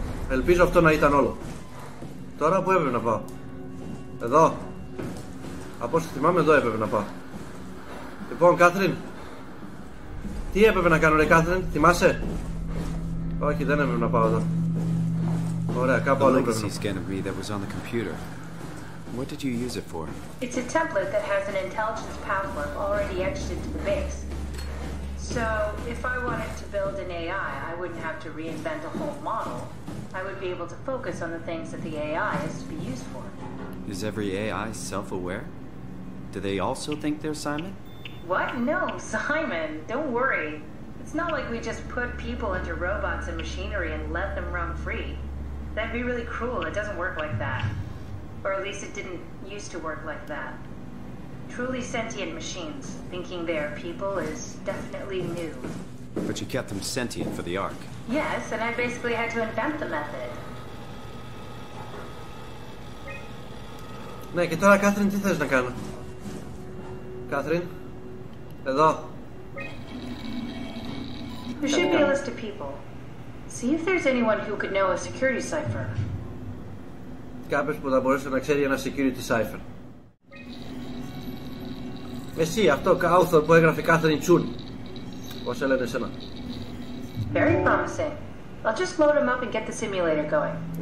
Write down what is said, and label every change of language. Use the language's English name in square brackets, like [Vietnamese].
[Greek] Ελπίζω αυτό να ήταν όλο. Τώρα που έπρεπε να πάω? Εδώ. Από όσο θυμάμαι εδώ έπρεπε να πάω. Λοιπόν, Κάθριν, τι έπρεπε να κάνω, ρε Κάθριν? Θυμάσαι? Όχι, δεν έπρεπε να πάω εδώ. Ωραία, κάπου αλλού πρέπει να πάω. [English] What did you use it for? It's a template that has an intelligence power already etched into the base. So, if I wanted to build an AI, I wouldn't have to reinvent a whole model. I would be able to focus on the things that the AI is to be used for. Is every AI self-aware? Do they also think they're Simon? What? No, Simon. Don't worry. It's not like we just put people into robots and machinery and let them run free. That'd be really cruel. It doesn't work like that. Or at least it didn't used to work like that. Truly sentient machines, thinking they are people, is definitely new. But you kept them sentient for the Ark. Yes, and I basically had to invent the method. [Greek] Ναι, και τώρα, Κάθριν, τι θες να κάνω. Κάθριν, εδώ. [English] There should be a list of people. See if there's anyone who could know a security cipher. [Greek] Κάποιος που θα μπορούσε να ξέρει ένα [English] security cipher. [Greek] Εσύ, αυτό, Κάουθορ, που έγραφε Κάθριν Τσούν. Πώς έλεγε εσένα. [English] Very promising. I'll just load him up and get the simulator going.